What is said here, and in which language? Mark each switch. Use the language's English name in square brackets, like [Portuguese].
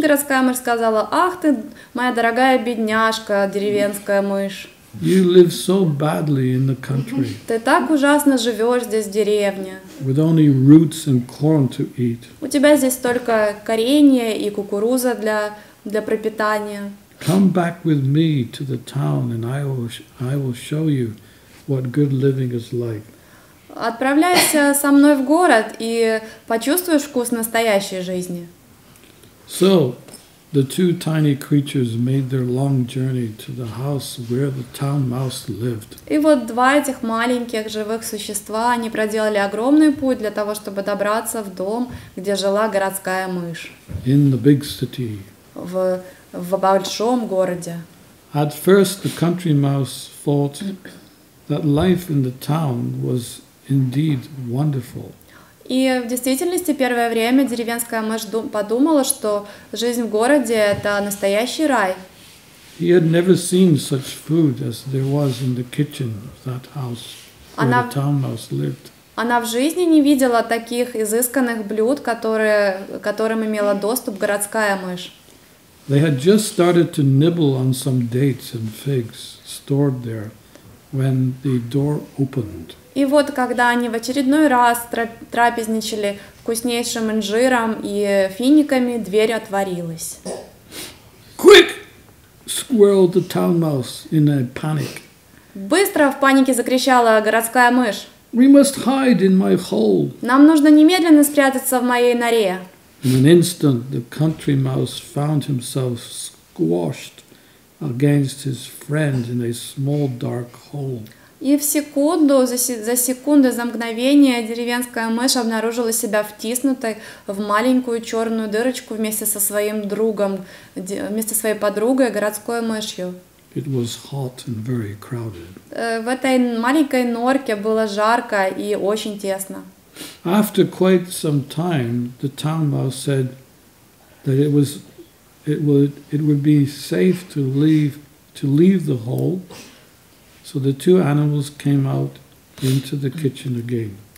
[Russian] Городская мышь сказала: "Ах ты, моя дорогая бедняжка, деревенская мышь". [English] You live so badly in the country. [Russian] Ты так ужасно живешь здесь в деревне. [English] With only roots and corn to eat. [Russian] У тебя здесь только коренья и кукуруза для пропитания. [English] Come back with me to the town, and I will show you what good living is like. [Russian] Отправляйся со мной в город и почувствуешь вкус настоящей жизни. [English] So, the two tiny creatures made their long journey to the house where the town mouse lived. [Russian] И вот два этих маленьких живых существа, они проделали огромный путь для того, чтобы добраться в дом, где жила городская мышь. [English] In the big city. [Russian] В большом городе. [English] At first, the country mouse thought that life in the town was indeed wonderful. [Russian] И в действительности первое время деревенская мышь подумала, что жизнь в городе – это настоящий рай. [English] He had never seen such food as there was in the kitchen of that house where the town mouse lived. [Russian] Она в жизни не видела таких изысканных блюд, которым имела доступ городская мышь. [English] They had just started to nibble on some dates and figs stored there when the door opened. [Russian] И вот когда они в очередной раз трапезничали вкуснейшим инжиром и финиками, дверь отворилась. [English] Quick! Squirreled the town mouse in a panic. [Russian] Быстро в панике закричала городская мышь. [English] We must hide in my hole. [Russian] Нам нужно немедленно спрятаться в моей норе. [English] In an instant, the country mouse found himself squashed against his friend in a small dark hole. [Russian] И в секунду, за секунду, за мгновение, деревенская мышь обнаружила себя втиснутой в маленькую черную дырочку вместе со своим другом, вместе со своей подругой, городской мышью. [English] It was hot and very crowded. [Russian] В этой маленькой норке было жарко и очень тесно. [English] After quite some time, the town mouse said that it would be safe to leave the hole. So the two animals came out into the kitchen again.